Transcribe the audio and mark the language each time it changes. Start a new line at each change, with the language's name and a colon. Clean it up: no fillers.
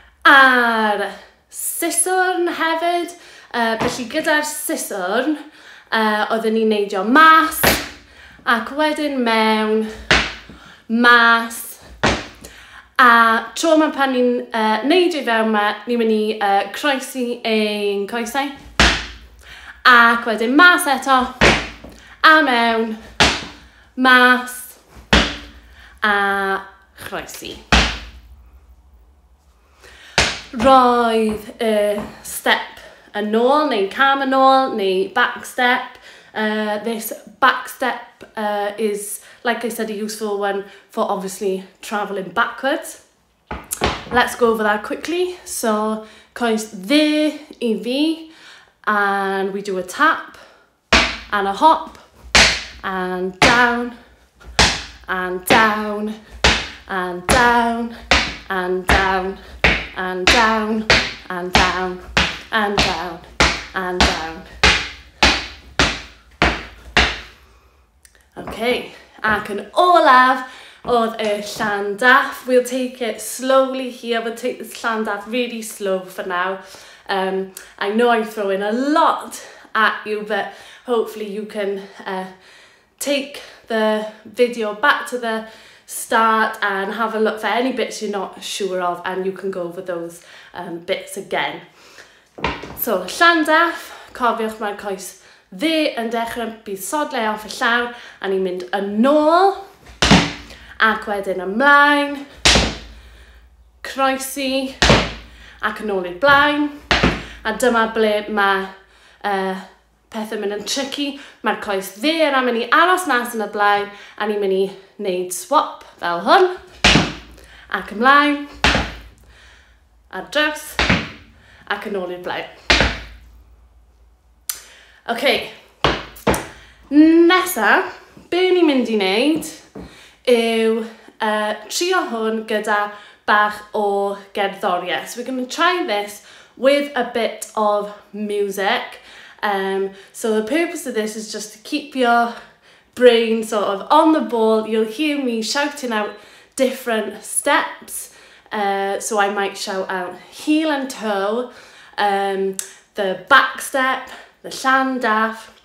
Welsh: A'r siswrn hefyd, felly gyda'r siswrn, oedden ni'n neidio mas, ac wedyn mewn, mas, a tro mae pan ni'n neidio fewn yma, ni'n mynd i croesi ein coesau, ac wedyn mas eto, a mewn, mas, a croesi. Roedd y step yn ôl, neu cam yn ôl, neu back step.
English: This back step is, like I said, a useful one for obviously travelling backwards. Let's go over that quickly. So,
Welsh: coes dde i fi,
English: and we do a tap, and a hop, and down, and down, and down, and down. And down, and down, and down, and down.
Welsh: Okay, ac yn olaf oedd y llandaff.
English: We'll take it slowly here, we'll take the llandaff really slow for now. I know I'm throwing a lot at you, but hopefully you can take the video back to the start and have a look for any bits you're not sure of, and you can go over those bits again.
Welsh: So, llandaff, cofiwch mae'r coes dde yn dechrau, bydd sodle off y llawr, a ni'n mynd yn ôl, ac wedyn ymlaen, croesi, ac yn ôl i'r blaen, a dyma ble mae pethau mynd yn tricky. Mae'r coes dde yn mynd i aros mas yn y blaen, a ni'n mynd i wneud swap. Fel hwn, ac ymlaen, ar draws, ac yn ôl i'r blaen. OK, nesaf, be ni'n mynd i wneud yw trio hwn gyda bach o gerddoriaeth.
English: So we're going to try this with a bit of music. So the purpose of this is just to keep your brain sort of on the ball. You'll hear me shouting out different steps. So I might shout out heel and toe, the back step, the llan daff.